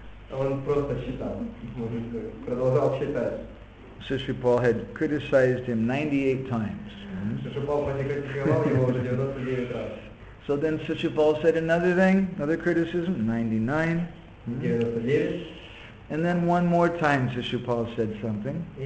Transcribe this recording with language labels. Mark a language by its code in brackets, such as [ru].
[ru] Он просто считал, продолжал считать. [en] Shishupal had criticized him 98 times. [ru] Шишупал покритиковал его уже 99 раз. [en] So then Shishupal said another thing, another criticism, 99. Mm-hmm. And then one more time Shishupal said something.